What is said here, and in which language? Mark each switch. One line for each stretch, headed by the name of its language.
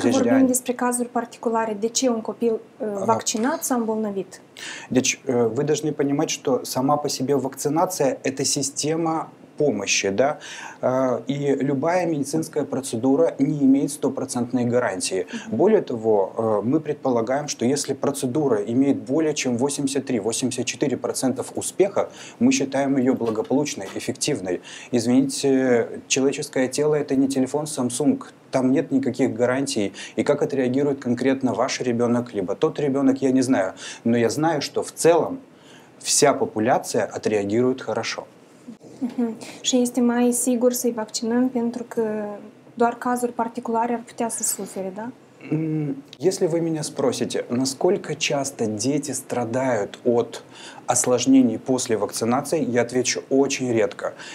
Romanian: Dacă vorbim despre cazuri particulare, de ce un copil vaccinat s-a îmbolnăvit? Deci, vă trebuie să înțelegeți că
Russian: sama pe sebe
Romanian: vaccinația este sistema
Russian: помощи, да, и любая медицинская процедура не имеет 100% гарантии. Более того, мы предполагаем, что если процедура имеет более чем 83-84% успеха, мы считаем ее благополучной, эффективной. Извините, человеческое тело – это не телефон Samsung. Там нет никаких гарантий. И как отреагирует конкретно ваш ребенок, либо тот ребенок, я не знаю. Но я знаю, что в целом вся популяция отреагирует хорошо.
Romanian: Și este mai sigur să-i vaccinăm pentru că doar cazuri particulare ar putea să sufere, da?
Russian: Если вы меня спросите, насколько часто дети страдают от осложнений после вакцинации, я отвечу очень редко.